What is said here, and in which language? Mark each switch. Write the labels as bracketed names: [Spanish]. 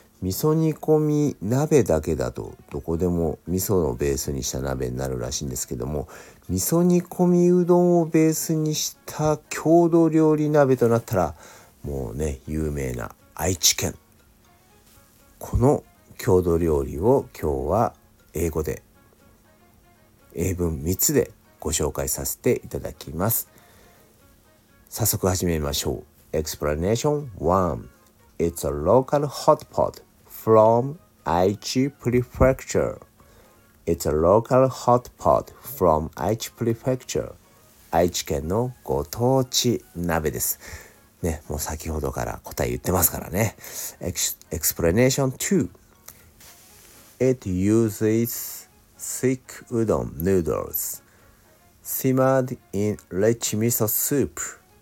[Japanese] 味噌煮込み鍋だけだとどこでも味噌のベースにした鍋になるらしいんですけども、味噌煮込みうどんをベースにした郷土料理鍋となったらもうね、有名な愛知県、この郷土料理を今日は英語で英文3つでご紹介させていただきます。早速始めましょう。 [English] Explanation 1. It's a local hot pot from Aichi Prefecture. It's a local hot pot from Aichi Prefecture. [Japanese] 愛知県のご当地鍋です。ね、もう先ほどから答え言ってますからね。 [English] Explanation 2. It uses thick udon noodlesSimmered in rich miso soup.